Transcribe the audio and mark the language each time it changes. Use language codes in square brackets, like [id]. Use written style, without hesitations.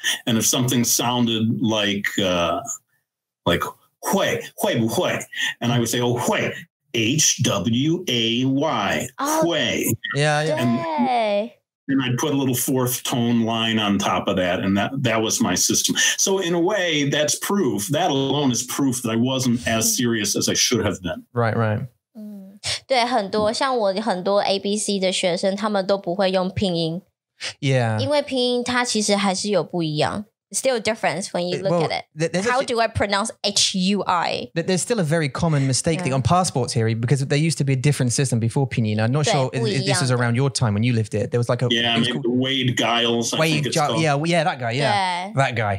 [en] And if something sounded like hui, hui bu hui, and I would say, oh, hui, H-W-A-Y, hui. Yeah, yeah. And I'd put a little fourth tone line on top of that. And that was my system. So in a way, that's proof. That alone is proof that I wasn't as serious as I should have been. Right, right. [zh] 对,很多 ABC的学生, 他们都不会用 拼音。 [en] Yeah. [zh] 因为拼音它其实还是有不一样。 [en] Still a difference when you look at it. How do I pronounce H-U-I? There's still a very common mistake on passports here, because there used to be a different system before pinyin. I'm not sure if this is around your time when you lived it. There was like a... Yeah, maybe called, Wade Giles. Yeah, that guy.